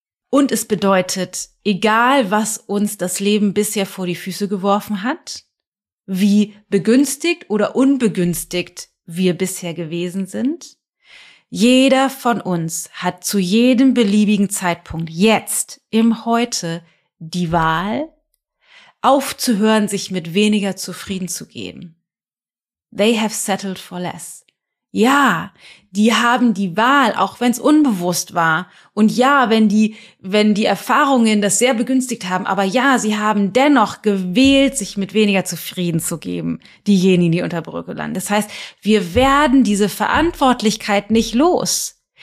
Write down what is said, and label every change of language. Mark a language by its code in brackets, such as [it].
[de] Und es bedeutet, egal was uns das Leben bisher vor die Füße geworfen hat, wie begünstigt oder unbegünstigt wir bisher gewesen sind, jeder von uns hat zu jedem beliebigen Zeitpunkt jetzt im Heute die Wahl, aufzuhören, sich mit weniger zufrieden zu geben. [en] They have settled for less. [de] Ja, die haben die Wahl, auch wenn es unbewusst war. Und ja, wenn die Erfahrungen das sehr begünstigt haben. Aber ja, sie haben dennoch gewählt, sich mit weniger zufrieden zu geben. Diejenigen, die unter Brücke landen. Das heißt, wir werden diese Verantwortlichkeit nicht los.